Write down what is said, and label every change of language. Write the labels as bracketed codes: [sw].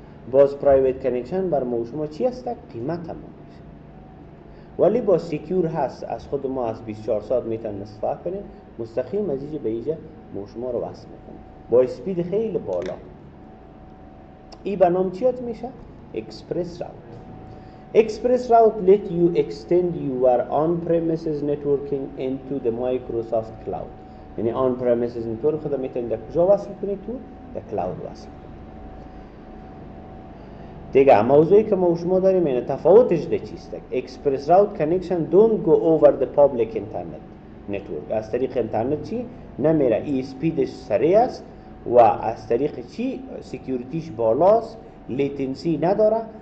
[fa] باز پرایویت کنکشن بر ما شما چی است؟ قیمت تمام. ولی با سیکیور هست، از خود ما از 24 ساعت میتونیم استفاده کنیم، مستقیم از اینجا به اینجا ما شما رو وصل میکنیم با اسپید خیلی بالا. ای به نام چیات میشه؟ اکسپرس راوت. [en] ExpressRoute let you extend your on-premises networking into the Microsoft cloud. [fa] یعنی on-premises network خود میتونیم در کجا وصل کنیم؟ تو در cloud وصل دیگه. موضوعی که ما شما داریم اینه، تفاوتش ده چیست؟ اکسپرس راوت کنکشن [en] don't go over the public internet network. [fa] از طریق انترنت چی؟ نمیره. ای سپیدش سریع است، و از طریق چی؟ سیکیورتیش بالاست، لیتنسی نداره.